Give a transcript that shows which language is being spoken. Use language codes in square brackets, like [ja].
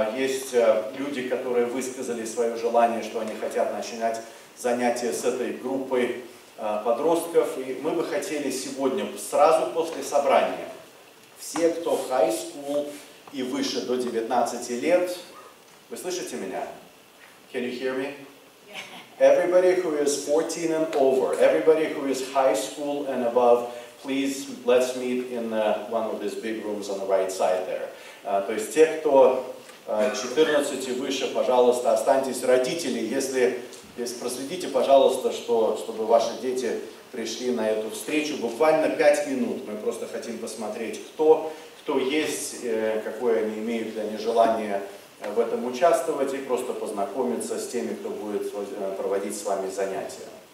[ru] Есть люди, которые высказали свое желание, что они хотят начинать занятия с этой группой подростков. И мы бы хотели сегодня, сразу после собрания, все, кто в high school и выше, до 19 лет, вы слышите меня? [en] Can you hear me? Everybody who is 14 and over, everybody who is high school and above, please, let's meet in one of these big rooms on the right side there. [ru] То есть те, кто 14 и выше, пожалуйста, останьтесь. Родители, если проследите, пожалуйста, чтобы ваши дети пришли на эту встречу. Буквально 5 минут. Мы просто хотим посмотреть, кто есть, какое они имеют для них желание в этом участвовать, и просто познакомиться с теми, кто будет проводить с вами занятия.